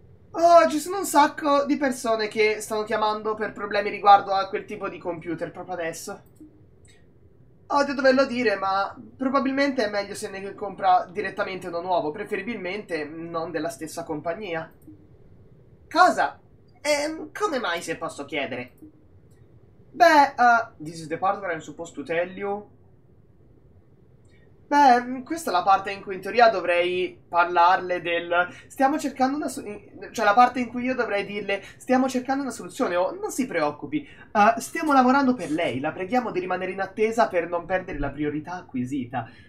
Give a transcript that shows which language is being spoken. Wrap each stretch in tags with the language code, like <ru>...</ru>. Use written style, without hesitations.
<it>Oh, ci sono un sacco di persone che stanno chiamando per problemi riguardo a quel tipo di computer proprio adesso. Odio doverlo dire, ma probabilmente è meglio se ne compra direttamente uno nuovo, preferibilmente non della stessa compagnia. Cosa? Come mai, se posso chiedere?</it> <en>Beh, this is the part where I'm supposed to tell you.</en> <it>Beh, questa è la parte in cui in teoria dovrei parlarle del... Stiamo cercando una soluzione... Cioè, la parte in cui io dovrei dirle... Stiamo cercando una soluzione, o... Non si preoccupi. Stiamo lavorando per lei. La preghiamo di rimanere in attesa per non perdere la priorità acquisita.</it>